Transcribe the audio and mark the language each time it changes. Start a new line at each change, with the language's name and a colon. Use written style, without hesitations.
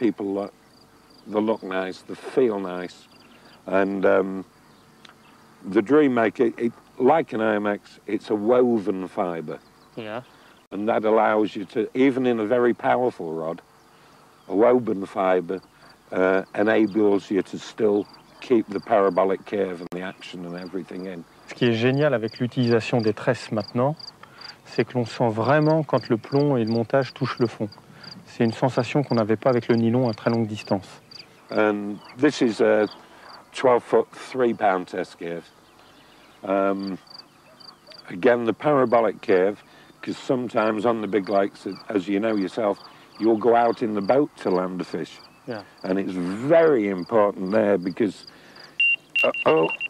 English: People look, they look nice, they feel nice, and the Dreammaker, it, like an IMX, it's a woven fiber. Yeah. And that allows you to, even in a very powerful rod, a woven fiber enables you to still keep the parabolic curve and the action and everything in.
French: Ce qui est génial avec l'utilisation des tresses maintenant, c'est que l'on sent vraiment quand le plomb et le montage touchent le fond. C'est une sensation qu'on n'avait pas avec le nylon à très longue distance.
English: And this is a 12-foot, 3-pound test curve. Again, the parabolic curve, because sometimes on the big lakes, as you know yourself, you'll go out in the boat to land a fish. Yeah. And it's very important there because... Oh!